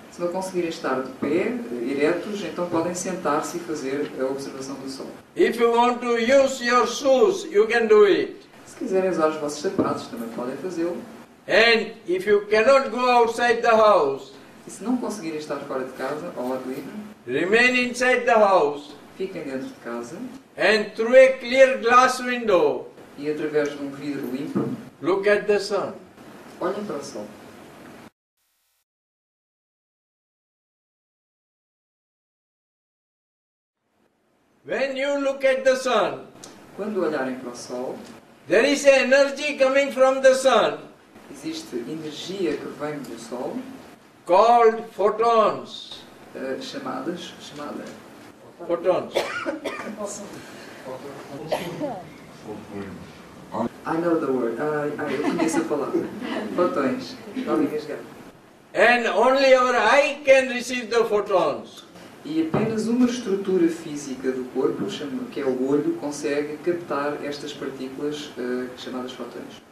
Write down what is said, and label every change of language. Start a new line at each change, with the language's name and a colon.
Portuguese: Se não conseguirem estar de pé, eretos, então podem sentar-se e fazer a observação do sol.
English: If you want to use your shoes, you can do it.
Portuguese: Se quiserem usar os vossos sapatos, também podem fazê-lo.
English: And if you cannot go outside the house,
Portuguese: e se não conseguirem estar fora de casa, ao ar livre,
English: remain inside the house,
Portuguese: fiquem dentro de casa,
English: and through a clear glass window,
Portuguese: e através de um vidro limpo,
English: look at the sun.
Portuguese: Olhem para o sol.
English: When you look at the sun,
Portuguese: quando olharem para o sol,
English: there is energy coming from the sun.
Portuguese: Existe energia que vem do sol.
English: Called photons.
Portuguese: Chamada.
English: Photons. I know the word.
Portuguese: I conheço a palavra. Fotões.
English: And only our eye can receive the photons.
Portuguese: E apenas uma estrutura física do corpo, que é o olho, consegue captar estas partículas chamadas fótons.